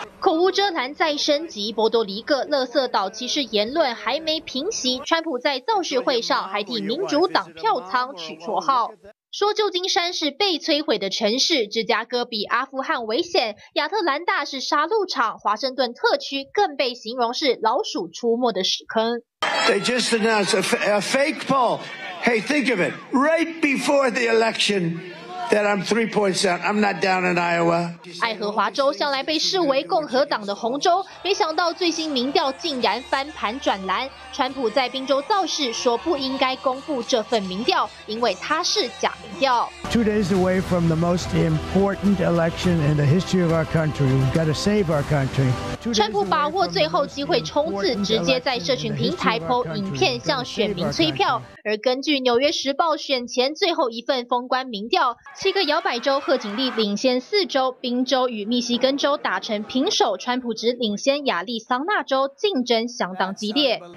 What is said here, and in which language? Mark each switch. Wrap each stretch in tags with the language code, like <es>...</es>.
<zh>口无遮拦再升级，波多黎各垃圾岛歧视言论还没平息，川普在造势会上还替民主党票仓取绰号，说旧金山是被摧毁的城市，芝加哥比阿富汗危险，亚特兰大是杀戮场，华盛顿特区更被形容是老鼠出没的屎坑。</zh> <en>They just announced a fake poll. Hey, think of it. Right before the election, that I'm 3 points down. I'm not down in Iowa.</en> <zh>爱荷华州向来被视为共和党的红州，没想到最新民调竟然翻盘转蓝。川普在宾州造势，说不应该公布这份民调，因为它是假民调。</zh> <en>Two days away from the most important election in the history of our country, we've got to save our country.</en> <zh>川普把握最后机会冲刺，直接在社群平台 po 影片向选民催票。而根据《纽约时报》选前最后一份封关民调，七个摇摆州贺锦丽领先四州，宾州与密西根州打成平手，川普只领先亚利桑那州，竞争相当激烈。</zh>